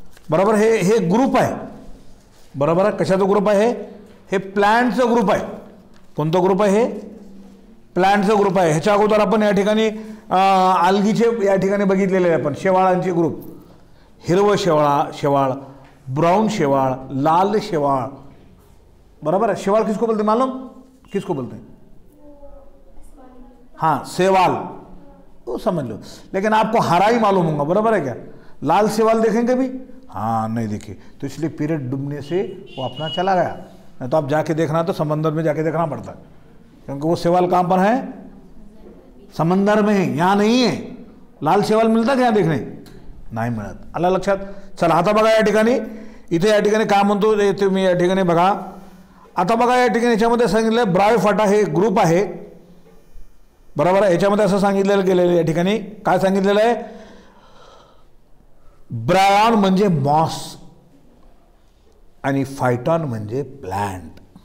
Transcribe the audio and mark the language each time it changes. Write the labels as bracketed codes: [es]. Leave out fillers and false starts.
[mr] बराबर हे ग्रुप आहे, बराबर आहे, कशाचं ग्रुप आहे, हे प्लांटचं ग्रुप आहे, कोणतं ग्रुप आहे, प्लांटचं ग्रुप आहे। ह्याच्या अगोदर आपण या ठिकाणी आल्गीचे या ठिकाणी बघितलेले आहे, आपण शेवाळांचे ग्रुप, हिरवं शेवाळा, शेवाळ, ब्राउन शेवाळ, लाल शेवाळ, बराबर आहे। [hi] शेवाळ किसको बोलते मालूम, किसको बोलते, हाँ शेवाळ, वो समझ लो, लेकिन आपको हरा ही मालूम होगा, बराबर है क्या, लाल शेवाल देखेंगे भी, हाँ नहीं देखे, तो इसलिए पीरियड डूबने से वो अपना चला गया, नहीं तो आप जाके देखना तो समंदर में जाके देखना पड़ता है, क्योंकि वो शेवाल कहाँ पर है, समंदर में है, यहाँ नहीं है। लाल शेवाल मिलता क्या देखने, नहीं मिलत, [mr] अल्लाह लक्षात, चल आता बघा या ठिकाणी, इथे या ठिकाणी काय म्हणतो ते तुम्ही या ठिकाणी बघा, आता बघा या ठिकाणी याच्यामध्ये सांगितलं ब्रायोफाटा हे ग्रुप आहे, बराबर आहे, याच्यामध्ये असं सांगितलेलं गेलेलं या ठिकाणी काय सांगितलेलं आहे, ब्रायॉन म्हणजे मॉस आणि फायटॉन म्हणजे प्लांट।